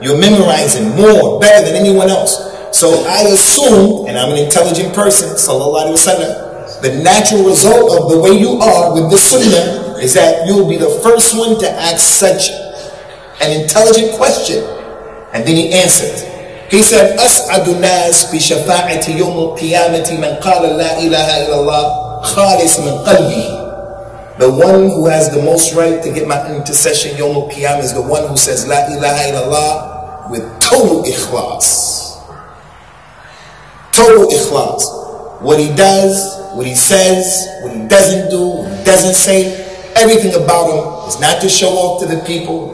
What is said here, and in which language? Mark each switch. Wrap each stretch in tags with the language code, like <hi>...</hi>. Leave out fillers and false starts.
<en>You're memorizing more, better than anyone else. So I assume, and I'm an intelligent person, sallallahu alaihi wasallam, the natural result of the way you are with the sunnah is that you'll be the first one to ask such an intelligent question. And then he answered. He said,</en> <ar>أَسْعَدُ النَّاسِ بِشَفَاعَةِ يَوْمُ الْقِيَامَةِ مَنْ قَالَ لَا إِلَهَ إِلَّا اللَّهِ خَالِصٌ مِنْ قَلْبِهِ.</ar> <en>The one who has the most right to get my intercession,</en> <ar>يَوْمُ الْقِيَامَةِ,</ar> <en>is the one who says,</en> <ar>لَا إِلَهَ إِلَّا اللَّهِ,</ar> <en>with total ikhlas. Total ikhlas. What he does, what he says, what he doesn't do, what he doesn't say, everything about him is not to show off to the people.</en>